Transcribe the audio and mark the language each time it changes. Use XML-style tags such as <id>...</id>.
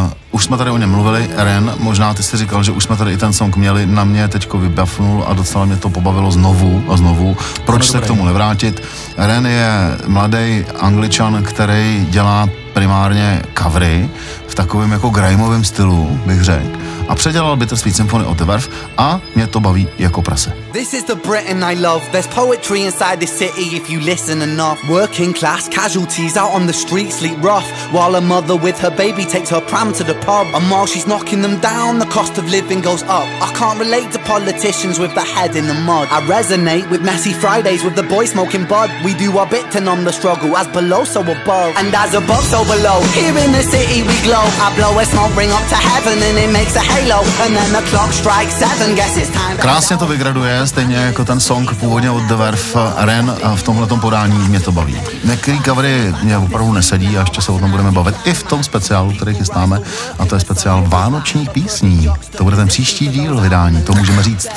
<cs>Už jsme tady o něm mluvili, Ren, možná ty jsi říkal, že už jsme tady i ten song měli, na mě teďko vybafnul a docela mě to pobavilo znovu a znovu. Proč se k tomu nevrátit? Ren je mladý Angličan, který dělá primárně covery v takovém jako grimeovém stylu, bych řekl. A předělal Bittersweet Symphony od The Verve a mě to baví jako prase.</cs> <en>This is the Britain I love. There's poetry inside this city if you listen enough. Working class casualties out on the street sleep rough. While a mother with her baby takes her pram to the pub. And while she's knocking them down, the cost of living goes up. I can't relate to politicians with the head in the mud. I resonate with messy Fridays with the boy smoking bud. We do our bit to numb the struggle, as below so above. And as above so below, here in the city we glow. I blow a small ring up to heaven and it makes a halo. And then the clock strikes seven, guess it's time.</en> <cs>Krásně to vygraduje, stejně jako ten song původně od The Verve, Ren, v tomhletom podání mě to baví. Některý covery mě opravdu nesedí a ještě se o tom budeme bavit i v tom speciálu, který chystáme, a to je speciál vánočních písní. To bude ten příští díl vydání, to můžeme říct.</cs>